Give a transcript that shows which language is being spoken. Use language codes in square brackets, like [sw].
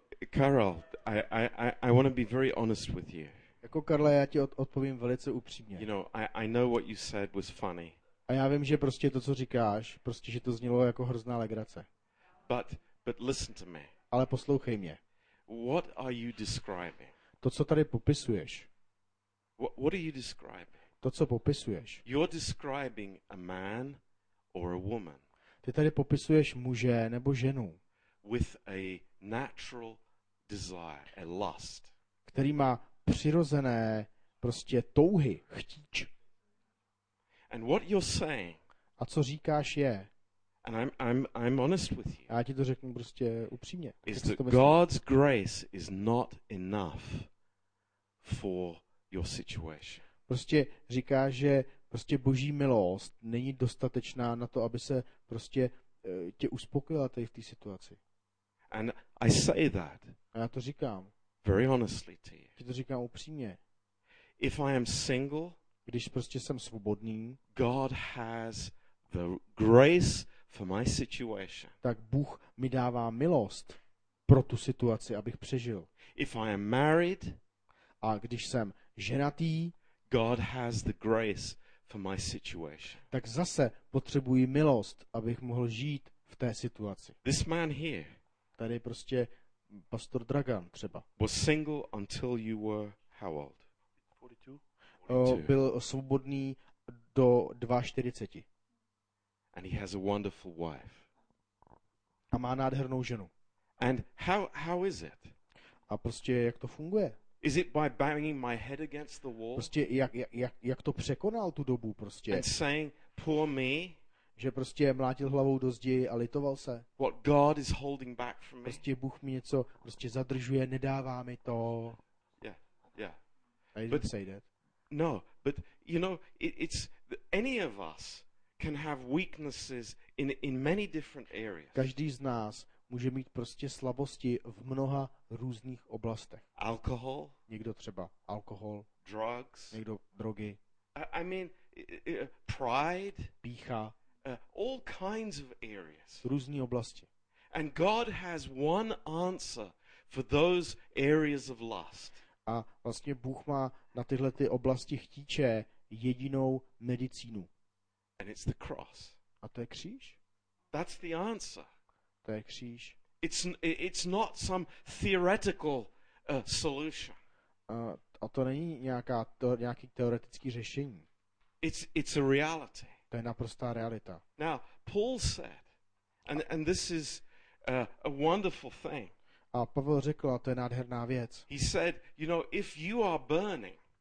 [en] Karel, I want to be very honest with you. [cs] Jako Karle, já ti odpovím velice upřímně. [en] You know, I know what you said was funny. [cs] A já vím, že prostě to, co říkáš, prostě že to znělo jako hrozná legrace. [en] But listen to me. [cs] Ale poslouchej mě. [en] What are you describing? [cs] To, co tady popisuješ. [en] What are you describing? [cs] To, co popisuješ. [en] You're describing a man or a woman. [cs] Ty tady popisuješ muže nebo ženu. [en] With a natural desire, a lust. [cs] Který má přirozené prostě touhy, chtíč. [en] And what you're saying? [cs] A co říkáš je? [en] And I'm honest with you. [cs] Já ti to řeknu prostě upřímně. [en] Is that God's grace is not enough for your situation? [cs] Prostě říkáš, že prostě Boží milost není dostatečná na to, aby se prostě tě uspokojila tady v té situaci. [en] And I say that. [cs] A já to říkám. [en] Very honestly to you. [cs] Ti to říkám upřímně. [en] If I am single, [cs] když prostě jsem svobodný, [en] God has the grace for my situation. [cs] Tak Bůh mi dává milost pro tu situaci, abych přežil. [en] If I am married, [cs] a když jsem ženatý, [en] God has the grace for my situation. [cs] Tak zase potřebuji milost, abych mohl žít v té situaci. [en] This man here, [cs] tady prostě pastor Dragan třeba, [en] was single until you were how old? 42. [cs] Byl svobodný do 42. [en] And he has a wonderful wife. [cs] A má nádhernou ženu. [en] And how is it? [cs] A prostě jak to funguje? [en] Is it by banging my head against the wall? [cs] Prostě jak to překonal tu dobu prostě? [en] And saying poor me. [cs] Že prostě mlátil hlavou do zdi a litoval se. [en] What God is holding back from me? [cs] Prostě Bůh mi něco prostě zadržuje, nedává mi to. [en] Yeah. I didn't say that. No, but you know, it's any of us can have weaknesses in many different areas. [cs] Každý z nás může mít prostě slabosti v mnoha různých oblastech. [en] Alcohol. [cs] Někdo třeba alkohol. [en] Drugs. [cs] Někdo drogy. [en] I mean, pride. [cs] Pýcha. [en] All kinds of areas. [cs] Různé oblasti. [en] And God has one answer for those areas of lust. [cs] A vlastně Bůh má na tyhle ty oblasti chtíče jedinou medicínu. [en] And it's the cross. [cs] A to je kříž. [en] That's the answer. [cs] To je kříž. [en] It's not some theoretical solution. [cs] A to není nějaký teoretický řešení. [en] It's a reality. [cs] To je naprostá realita. [en] Now, Paul said, and this is a wonderful thing. [cs] A Pavel řekl, a to je nádherná věc. [en] He said, you know, if you are burning,